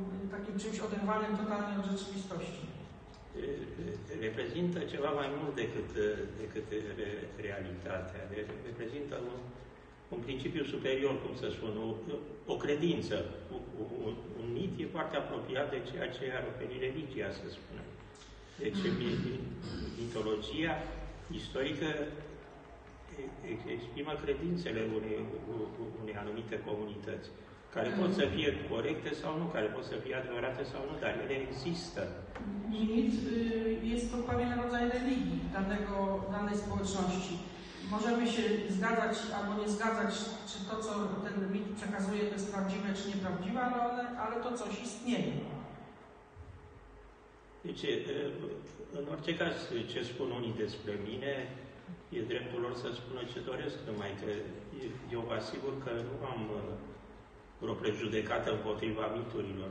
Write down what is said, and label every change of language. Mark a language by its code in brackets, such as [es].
[pl] takim czymś oderwanym totalnie od rzeczywistości. [ro] Reprezintă ceva mai mult decât realitatea. Reprezintă un principiu superior, cum să spun, o credință, un mit e foarte apropiat de ceea ce ar oferi religia, să spunem. Deci mitologia istorică exprimă credințele unei anumite comunități, care pot să fie corecte sau nu, care pot să fie adevărate sau nu, dar ele există. [pl] Mit jest to pewien rodzaj religii danej społeczności. Możemy się zgadzać albo nie zgadzać, czy to, co ten mit przekazuje, to jest prawdziwe czy nieprawdziwe, ale to coś istnieje. Wiecie, [ro] în orice caz, ce spun unii despre mine, e dreptul lor să spună ce doresc, numai că eu vă asigur că nu am vreo prejudecată împotriva miturilor.